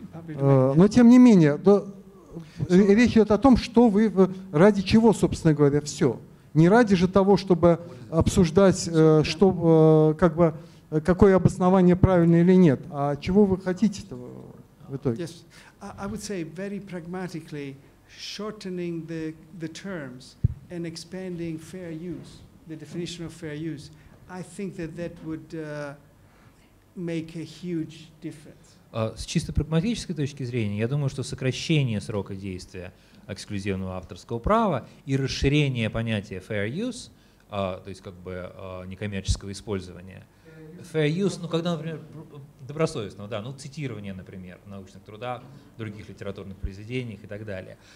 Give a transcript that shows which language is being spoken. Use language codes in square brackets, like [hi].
[ru] Но тем не менее, да, речь идет о том, что вы, ради чего, собственно говоря, все. Не ради же того, чтобы обсуждать, что, как бы, какое обоснование правильно или нет, а чего вы хотите-то в итоге? [en] Yes. I would say very pragmatically shortening the terms and expanding fair use, the definition of fair use, I think that would make a huge difference. [ru] С чисто прагматической точки зрения, я думаю, что сокращение срока действия эксклюзивного авторского права и расширение понятия fair use, то есть как бы некоммерческого использования, fair use, ну когда, например, добросовестного, да, ну цитирование, например, в научных трудах, других литературных произведениях и так далее.